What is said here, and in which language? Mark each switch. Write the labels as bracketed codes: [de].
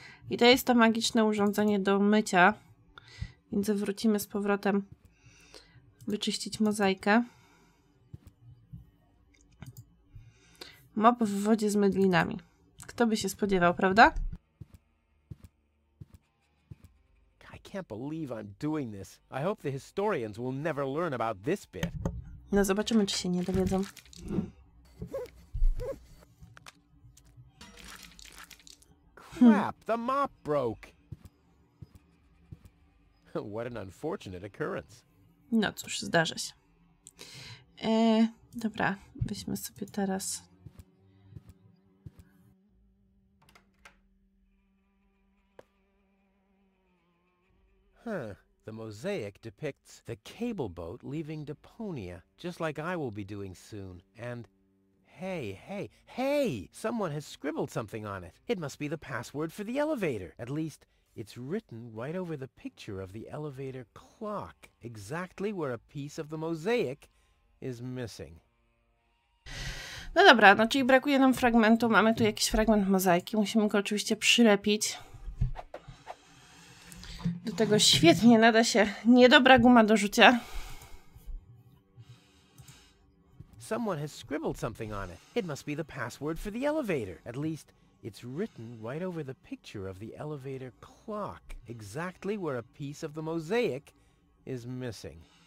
[pl] I to jest to magiczne urządzenie do mycia. Więc wrócimy z powrotem. Wyczyścić mozaikę. Mop w wodzie z mydlinami. Kto by się spodziewał, prawda? [en] I can't believe I'm doing this. I hope the historians will never learn about this bit. [pl] No zobaczymy, czy się nie dowiedzą. [en] Crap, the mop broke. What an unfortunate occurrence. [pl] No cóż, zdarza się. Dobra, weźmy sobie teraz. [en] Huh, the mosaic depicts the cable boat leaving Deponia, just like I will be doing soon. And hey, hey, hey! Someone has scribbled something on it. It must be the password for the elevator. At least It's written right over the picture of the elevator clock, exactly where a piece of the mosaic is missing. [pl] No dobra, no czyli brakuje nam fragmentu, mamy tu jakiś fragment mozaiki, musimy go oczywiście przylepić. Do tego świetnie nada się niedobra guma do rzucia. [en] Someone has scribbled something on it. It must be the password for the elevator. At least, it's written right over the picture of the elevator clock, exactly where a piece of the mosaic is missing.